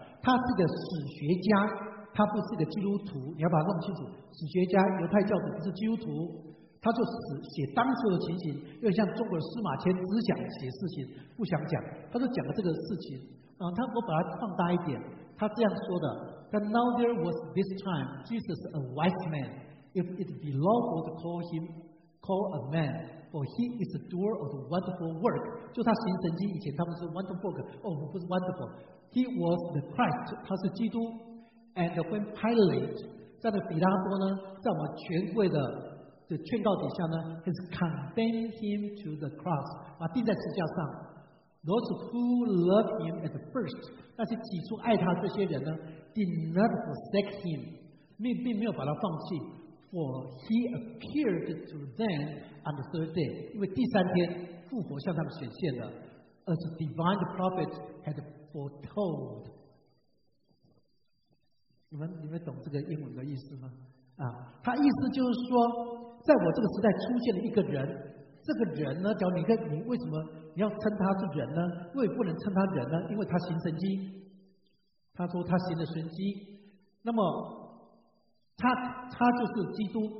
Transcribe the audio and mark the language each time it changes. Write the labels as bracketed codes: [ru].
[zh] 他是个史学家，他不是个基督徒，你要把它弄清楚。史学家，犹太教徒，不是基督徒。” 他就写当时的情形，又像中国的司马迁只想写事情不想讲，他就讲了这个事情。我把它放大一点，他这样说的 [en] ：But now there was this time Jesus a wise man. If it be lawful to call him call a man, for he is a doer of the wonderful work. [zh] 就他行神迹以前，他们说 wonderful， 哦，不是 wonderful。 [en] He was the Christ， [zh] 他是基督。 [en] And when Pilate， [zh] 在那比拉多呢，在我们权贵的劝告底下呢 ， [en] has condemned him to the cross， [zh] 把钉在十字架上。 [en] Those who loved him at first， [zh] 那些起初爱他这些人呢 ， [en] did not forsake him， [zh] 并没有把他放弃。 [en] For he appeared to them on the third day， [zh] 因为第三天复活向他们显现了 [en] ，as divine prophet had foretold。 [zh] 你们懂这个英文的意思吗？啊，他意思就是说，在我这个时代出现了一个人，这个人呢，叫你为什么？你要称他是人呢？为什么不能称他人呢？因为他行神迹。他说他行了神迹，那么他就是基督。